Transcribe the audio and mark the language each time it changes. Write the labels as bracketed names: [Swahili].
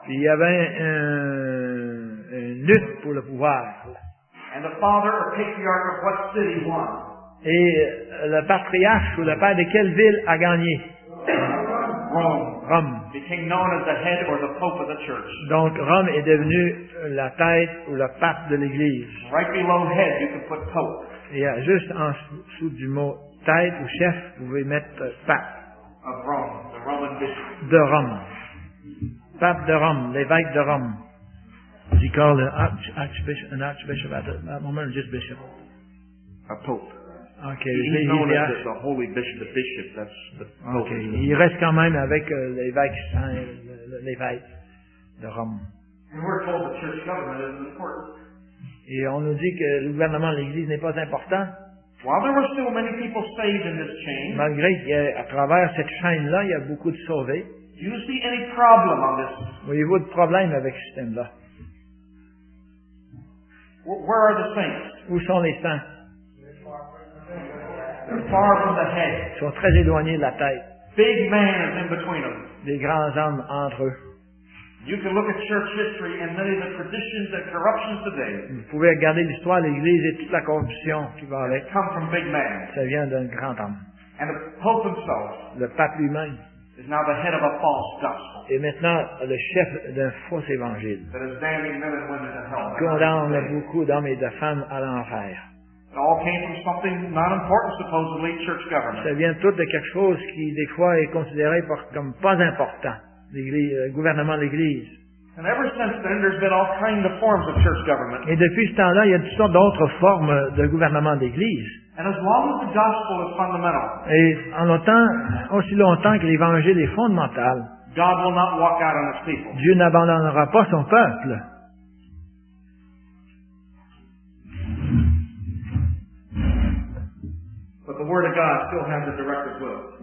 [French] Puis il y avait une lutte pour le pouvoir. [English] And the father or patriarch of what city won? [French] Et le patriarche ou le père de quelle ville a gagné? [English] Rome. Became known as the head or the pope of the church. [French] Donc Rome est devenu la tête ou le pape de l'Église. [English] Right below head, you can put pope. [French] Et juste en dessous du mot tête ou chef, vous pouvez mettre pape. [English] Of Rome, the Roman bishop. [French] De Rome. Pape de Rome, l'évêque de Rome. [English] Do you call an archbishop at that moment or just bishop? A pope. Okay. He's known as the holy bishop, that's the pope. [French] Il reste quand même avec l'évêque saint, l'évêque de Rome. [English] And we're told the church government is important. [French] Et on nous dit que le gouvernement de l'Église n'est pas important. [English] While there were still many people saved in this chain, [French] malgré qu'à travers cette chaîne-là, il y a beaucoup de sauvés. [English] Do you see any problem on this? [French] Voyez-vous de problème avec ce système-là? [English] Where are the saints? [French] Où sont les saints? [English] They're far from the head. [French] Ils sont très éloignés de la tête. [English] Big men in between them. [French] Des grands hommes entre eux. [English] You can look at church history and many of the traditions and corruptions today. [French] Vous pouvez regarder l'histoire de l'Église et toute la corruption qui va avec. [English] Come from big man. [French] Ça vient d'un grand homme. [English] And the Pope himself. [French] Le pape lui-même. [English] Is now the head of a false gospel. [French] Et maintenant le chef d'un faux évangile. [English] That is damning men and women to hell. [French] Condamne beaucoup d'hommes et de femmes à l'enfer. [English] It all came from something not important, supposedly church government. [French] Ça vient tout de quelque chose qui des fois est considéré comme pas important. Le gouvernement de l'Église. [English] And ever since then, there's been all kinds of forms of church government. [French] Et depuis ce temps-là, il y a toutes sortes d'autres formes de gouvernement d'église. [English] And as long as the gospel is fundamental. [French] Et en longtemps, aussi longtemps que l'évangile est fondamental. [English] God will not walk out on his people. [French] Dieu n'abandonnera pas son peuple. [English] But the word of God still has a directive will.